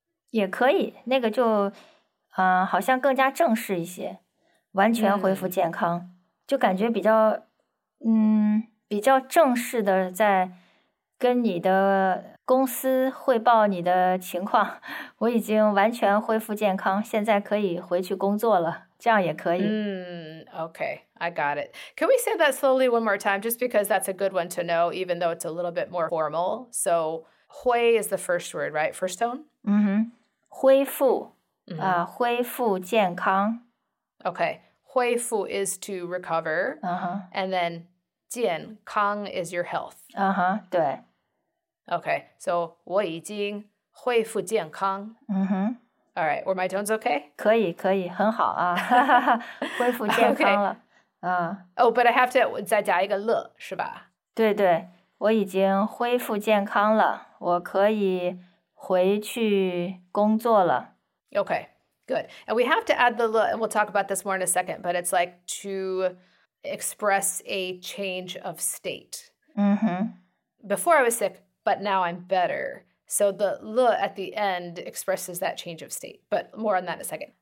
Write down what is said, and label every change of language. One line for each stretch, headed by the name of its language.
Chinese: 也可以,那个就 好像更加正式一些,完全恢复健康, 就感觉比较, 比较正式的在跟你的公司汇报你的情况, 我已经完全恢复健康, 现在可以回去工作了, 这样也可以。
English: Okay, I got it. Can we say that slowly one more time, just because that's a good one to know, even though it's a little bit more formal? So, 恢 is the first word, right? First tone?
Chinese: Mm-hmm. 恢复, mm-hmm. 恢复健康.
English: Okay, 恢复 is to recover, uh-huh. And then 健康 is your health. Uh-huh, 对.
Chinese: Okay, so 我已经恢复健康. Mm-hmm.
English: All right, were my tones okay?
Chinese: 可以,可以,很好啊.恢复健康了.
English: Okay. Oh, but I have to
Chinese: 再加一个了,是吧? 对对, 我已经恢复健康了,我可以... 回去工作了.
English: Okay, good. And we have to add the 了, and we'll talk about this more in a second, but it's like to express a change of state. Mm-hmm. Before I was sick, but now I'm better. So the 了 at the end expresses that change of state, but more on that in a second.